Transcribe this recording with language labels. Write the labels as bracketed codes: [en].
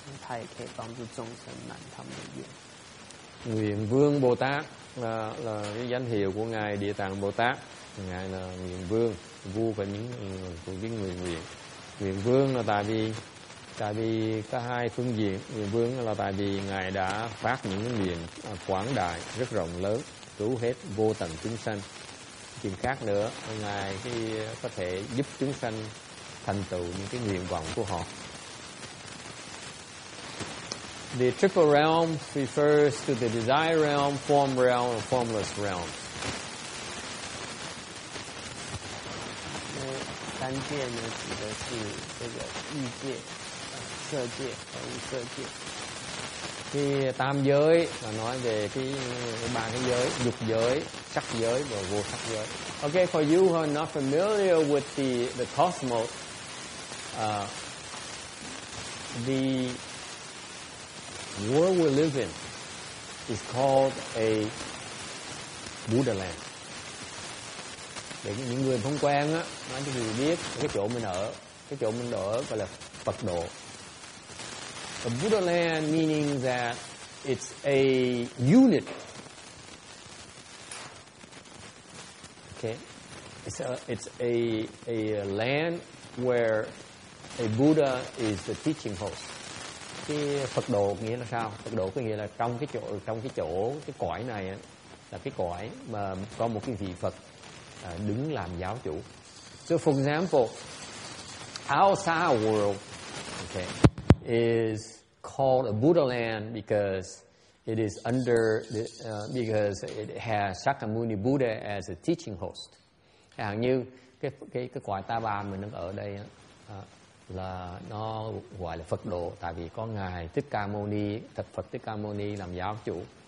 [zh] 地藏菩萨是称为大愿王，因为他发的愿最大，他也可以帮助众生满他们的愿。 [vi] Nguyện Vương Bồ Tát là cái danh hiệu của ngài Địa Tạng Bồ Tát. Ngài là Nguyện Vương, vua của những người nguyện. Nguyện Vương là tại vì có hai phương diện. Nguyện Vương là tại vì ngài đã phát những nguyện quảng đại rất rộng lớn, cứu hết vô tận chúng sanh. Chuyện khác nữa, ngài thì có thể giúp chúng sanh thành tựu những cái nguyện vọng của họ. [en] The triple realm refers to the desire realm, form realm, and formless realm. [zh] 三界呢，指的是这个欲界、色界和无色界。 [vi] Thì tam giới là nói về cái ba cái giới, dục giới, sắc giới và vô sắc giới. [en] Okay, for you who are not familiar with the cosmos, the world we live in is called a Buddha land. [vi] Để những người không quen á, nói cho người biết cái chỗ mình ở gọi là Phật độ. [en] The Buddha land meaning that it's a unit. Okay. It's a land where a Buddha is the teaching host. [vi] Cái Phật độ nghĩa là sao? Phật độ có nghĩa là trong cái chỗ cái cõi này á, là cái cõi mà có một cái vị Phật đứng làm giáo chủ. [en] So for example, outside world, okay, is called a Buddha land because it is under the, because it has Shakyamuni Buddha as a teaching host. [vi] Hẳn như cái quả ta bà mình đang ở đây á, là nó gọi là Phật độ, tại vì có ngài Thích Ca Mâu Ni, thật Phật Thích Ca Mâu Ni làm giáo chủ.